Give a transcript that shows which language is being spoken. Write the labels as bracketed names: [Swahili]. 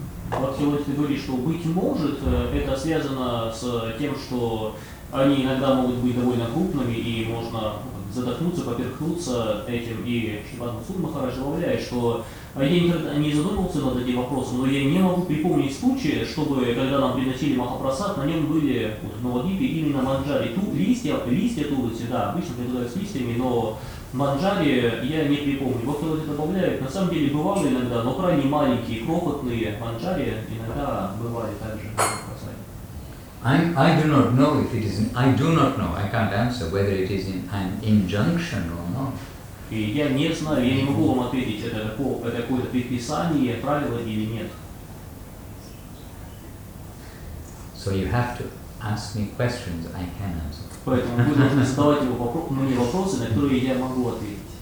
[Russian] Вот Лалита говорит, что быть может, это связано с тем, что они иногда могут быть довольно крупными, и можно задохнуться, поперхнуться этим, и Шрипад Бхактисиддханта Махараджа добавляет, что я никогда не задумывался над этим вопросом, но я не могу припомнить случая, чтобы, когда нам приносили Махапрасад, на нем были вот, в Новодипе именно манджари. Листья тулыси, да, обычно приготовят с листьями, но манджари я не припомню. Вот кто-то добавляет, на самом деле бывало иногда, но крайне маленькие, крохотные манджари иногда бывали также на Махапрасаде. [English] I do not know if it is, I do not know, I can't answer whether it is an injunction or not. [Russian] И я не знаю, я не могу вам ответить, это какое-то предписание, правило или нет. [English] So you have to ask me questions, I can answer. [Russian] Поэтому вы должны задавать мне вопросы, на которые я могу ответить.